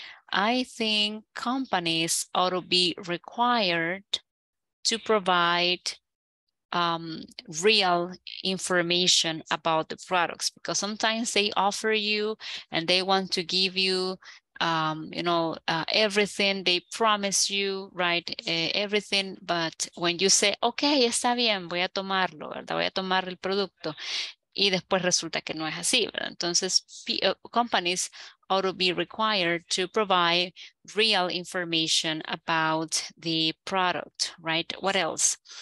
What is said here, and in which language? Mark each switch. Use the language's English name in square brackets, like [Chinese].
[English] I think companies ought to be required to provide real information about the products, because sometimes they offer you and they want to give you everything they promise you, right? Everything, but when you say okay, [Spanish] está bien, voy a tomarlo, ¿verdad? Voy a tomar el producto, y después resulta que no es así, ¿verdad? [English] Entonces companies ought to be required to provide real information about the product, right? What else?